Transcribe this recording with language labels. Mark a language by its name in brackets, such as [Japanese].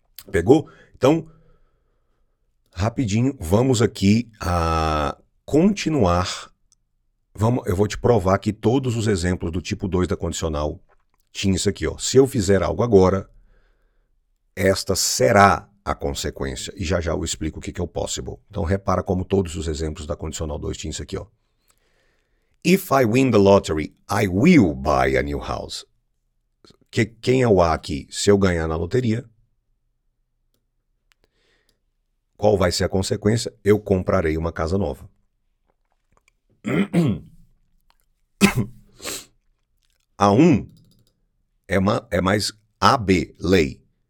[Portuguese] Pegou? Então, rapidinho, vamos aqui a continuar. Eu vou te provar que todos os exemplos do tipo 2 da condicional tinham isso aqui. Ó. Se eu fizer algo agora, esta será a consequência. E já já eu explico o que é o possible. Então repara como todos os exemplos da condicional 2 tinha isso aqui. Ó. [English] If I win the lottery, I will buy a new house. [Portuguese] Quem é o A aqui? Se eu ganhar na loteria, qual vai ser a consequência? Eu comprarei uma casa nova. A 1 é mais AB, lei.